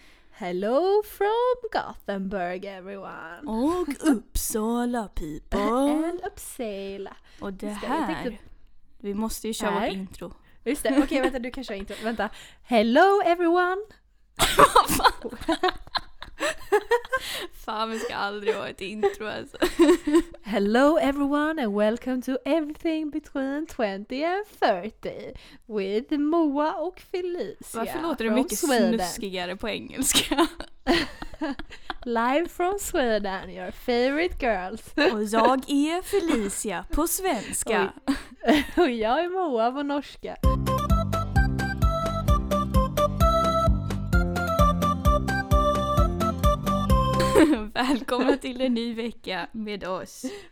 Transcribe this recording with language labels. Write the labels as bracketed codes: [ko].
[en] Hello from Gothenburg, everyone! [sv] Och Uppsala, [en] people! And Uppsala! [sv] Och det här, vi måste ju köra vårt intro. Just det, okej, okay, vänta, du kan köra intro. Vänta. [en] Hello, everyone! [sv] Fan, vi ska aldrig ha ett intro alltså. [en] Hello everyone and welcome to everything between 20 and 30 with Moa och Felicia. [sv] Varför låter det mycket snuskigare på engelska? [en] Live from Sweden, your favorite girls. [sv] Och jag är Felicia på svenska. Och jag är Moa på norska. Välkomna till en ny vecka med oss.